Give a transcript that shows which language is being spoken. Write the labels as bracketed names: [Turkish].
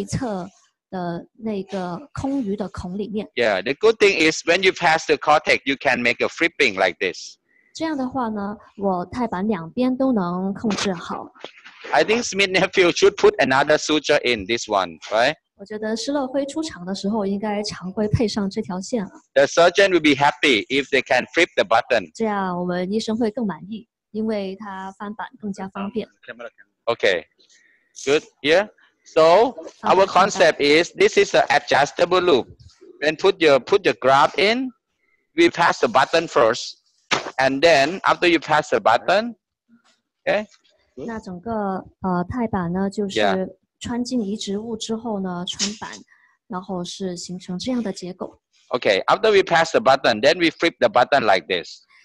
[Chinese] 然后我自己呢会再加一条线，是加在绿线对侧的那个空余的孔里面。 [English] Yeah, the good thing is when you pass the cortex, you can make a flipping like this. [Chinese] 这样的话呢，我钛板两边都能控制好。 [English] I think Smith Nephew should put another suture in this one, right? [Chinese] 我觉得施乐辉出厂的时候应该常规配上这条线了。The [English] surgeon will be happy if they can flip the button. [Chinese] 这样我们医生会更满意, 因为他翻板更加方便。Okay, [English] good, yeah? So our concept is this is an adjustable loop. When put your graft in, we pass the button first. And then after you pass the button, okay? [Chinese] 那整个钛板呢，就是穿进移植物之后呢，穿板，然后是形成这样的结构。Okay, [English] after we pass the button, then we flip the button like this.